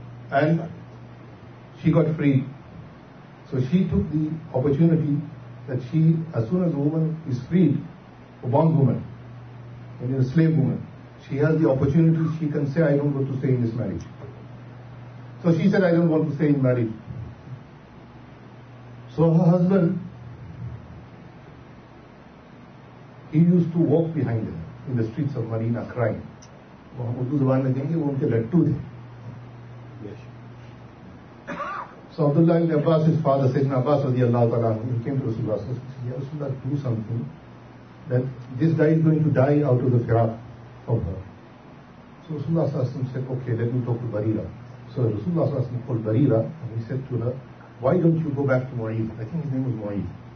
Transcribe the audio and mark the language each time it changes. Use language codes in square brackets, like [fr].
[en] And she got free. So she took the opportunity that she, as soon as a woman is freed, a bond woman, and a slave woman, she has the opportunity, she can say, I don't want to stay in this marriage. So she said, I don't want to stay in marriage. So her husband, he used to walk behind her in the streets of Medina crying. [ur] وہاں اردو زبان میں کہیں گے وہ ان کے لٹو تھے. [en] So Abdullah ibn Abbas's father, Sayyidina Abbas radiallahu ta'ala, he came to Rasulullah sallallahu alayhi wa sallam, said, Ya Rasulullah, do something that this guy is going to die out of the firaq of her. So Rasulullah sallallahu alayhi wa sallam said, okay, let me talk to Barira. So Rasulullah sallallahu alayhi wa sallam called Barira and he said to her, why don't you go back to Mu'id? I think his name was Mu'id.